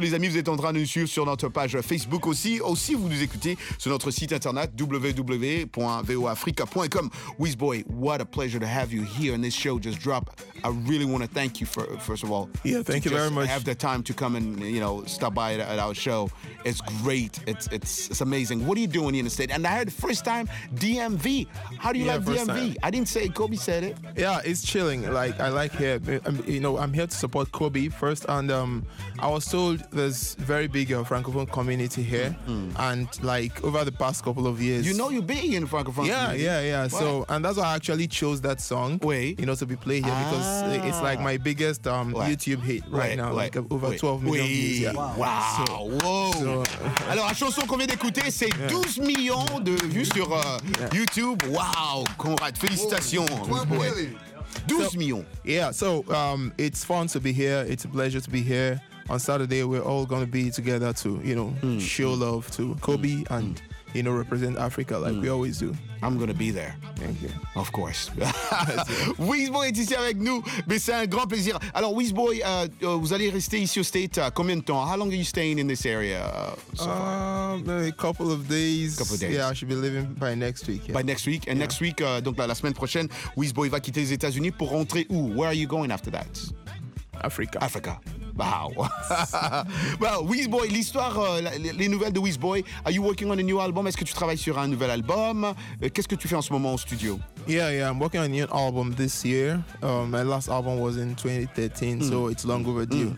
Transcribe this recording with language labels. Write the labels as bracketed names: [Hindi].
[French] Les amis, vous êtes en train de nous suivre sur notre page Facebook aussi. Aussi, vous nous écoutez sur notre site internet www.voafrica.com. [English] Whiz Boy, what a pleasure to have you here in this show. Just drop. I really want to thank you for first of all. Yeah, thank you very much. Have the time to come and you know stop by at our show. It's great. It's amazing. What are you doing in the state? And I heard first time DMV. How do you like DMV? Time. I didn't say. Kobe said it. Yeah, it's chilling. Like, I like here. You know, I'm here to support Kobe first. And I was told there's very big Francophone community here. Mm-hmm. And like, over the past couple of years. You know you're big in Francophone community. Yeah. What? So, and that's why I actually chose that song. Wait. You know, to be played here. Because it's like my biggest YouTube hit right now. Like, over 12 million views. Yeah. Wow. [French] So, alors, la chanson qu'on vient d'écouter, c'est 12 millions de vues sur YouTube. Wow. Conrad, félicitations. 12 millions. [English] So it's fun to be here. It's a pleasure to be here. On Saturday, we're all going to be together to, you know, show love to Kobe and, you know, represent Africa like we always do. I'm going to be there. Thank you. Of course. [French] Wizboy est ici avec nous, mais c'est un grand plaisir. Alors, Wizboy, vous allez rester ici au State combien de temps? [English] How long are you staying in this area? A couple of days. Yeah, I should be leaving by next week. Yeah. By next week. Next week, [French] donc la semaine prochaine, Wizboy va quitter les États-Unis pour rentrer où? [English] Where are you going after that? Africa. Wow. Well, [French] Wizboy, l'histoire, les nouvelles de Wizboy. [English] Are you working on a new album? [French] Est-ce que tu travailles sur un nouvel album? Qu'est-ce que tu fais en ce moment au studio? [English] Yeah, I'm working on a new album this year. My last album was in 2013, so it's long overdue.